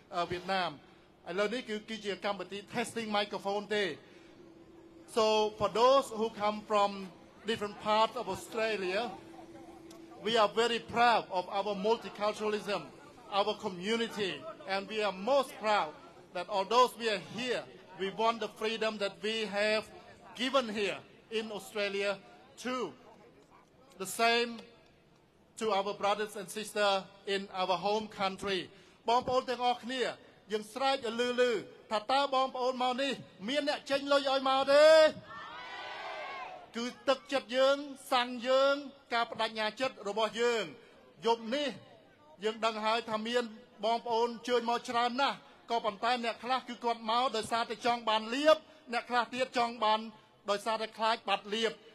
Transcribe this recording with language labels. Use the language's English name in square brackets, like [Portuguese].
[Khmer] វៀតណាមឥឡូវនេះគឺជាកម្មវិធី [English] testing microphone ទេ So for those who come from different parts of Australia We are very proud of our multiculturalism, our community, and we are most proud that although we are here, we want the freedom that we have given here in Australia too. The same to our brothers and sisters in our home country. [Khmer] បងប្អូនទាំងអស់គ្នាយើងស្រែកឮឮថាតើបងប្អូនមកនេះមានអ្នកចេញលុយឲ្យមកទេគឺទឹកចិត្តយើងសង្ឃយើងការបដិញ្ញាចិត្តរបស់យើងយប់នេះយើងដឹងហើយថាមានបងប្អូនជឿមកច្រើនណាស់ក៏ប៉ុន្តែអ្នកខ្លះគឺគាត់មកដោយសារតែចង់បានលៀបអ្នកខ្លះទៀតចង់បានដោយសារតែខ្លាចបាត់លៀប